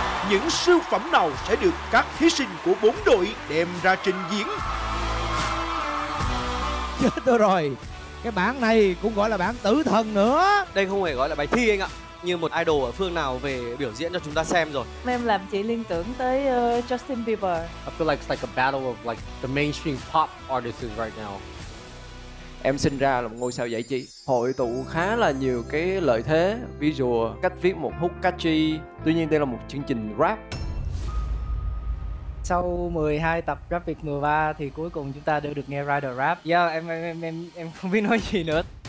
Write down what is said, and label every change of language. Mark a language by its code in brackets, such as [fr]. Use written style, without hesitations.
[vi] Những siêu phẩm nào sẽ được các thí sinh của bốn đội đem ra trình diễn? Chết tôi rồi. Cái bảng này cũng gọi là bảng tử thần nữa. Đây không hề gọi là bài thi anh ạ. Như một idol ở phương nào về biểu diễn cho chúng ta xem rồi. Em làm chị liên tưởng tới Justin Bieber. [en] I feel like it's like a battle of like the mainstream pop artists right now. [vi] Em sinh ra là một ngôi sao giải trí, hội tụ khá là nhiều cái lợi thế, visual, cách viết một hook catchy. Tuy nhiên đây là một chương trình rap. Sau 12 tập Rap Việt mùa 3 thì cuối cùng chúng ta đều được nghe Rider rap. Yo, em không biết nói gì nữa.